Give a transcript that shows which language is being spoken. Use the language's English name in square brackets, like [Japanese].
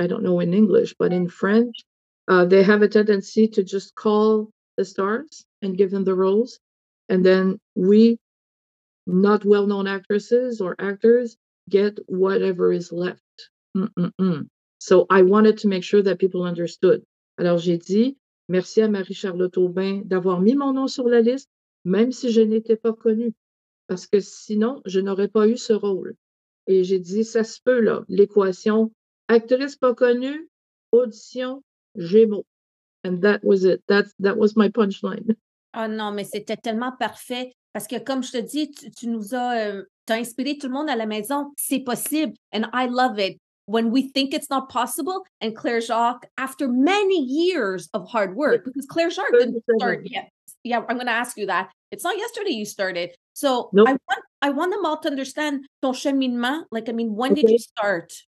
[English] I don't know in English, but in French, they have a tendency to just call the stars and give them the roles. And then we, not well-known actresses or actors, get whatever is left. Mm-mm-mm. So I wanted to make sure that people understood. [French] Alors j'ai dit, merci à Marie-Charlotte Aubin d'avoir mis mon nom sur la liste, même si je n'étais pas connue, parce que sinon, je n'aurais pas eu ce rôle. Et j'ai dit, ça se peut, là, l'équation, actrice pas connue, audition, Gémeaux. [English] And that was it. That was my punchline. [French] Oh non, mais c'était tellement parfait. Parce que comme je te dis, tu nous as t'as inspiré tout le monde à la maison. C'est possible. [English] And I love it. When we think it's not possible, and Claire Jacques, after many years of hard work, because Claire Jacques didn't start yet. Yeah, I'm going to ask you that. It's not yesterday you started. So nope. I want them all to understand [French] ton cheminement. [English] Like, I mean, when okay. did you start?